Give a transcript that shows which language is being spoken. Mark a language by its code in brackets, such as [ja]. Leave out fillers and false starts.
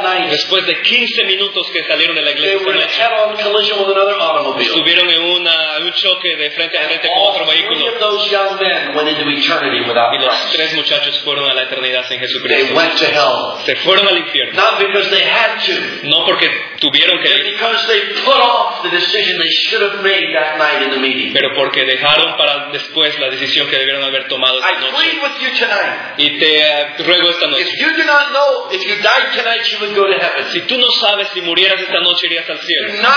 [es] Después de 15 minutos que salieron de la iglesia esta noche. Estuvieron en un choque de frente a frente con otro vehículo. Y los tres muchachos fueron a la eternidad sin Jesucristo. [en] They went to hell. [es] Se fueron al infierno. [en] Not because they had to. [es] No porque tuvieron que ir. [en] Because they put off the decision they should have made that night in the meeting. [es] Pero porque dejaron para después la decisión que debieron haber tomado esa noche. [en] I plead with you tonight. [es] Y te ruego esta noche. [en] If you do not know, if you died tonight, you would go to heaven. [es] Si tú no sabes si murieras esta noche irías al cielo.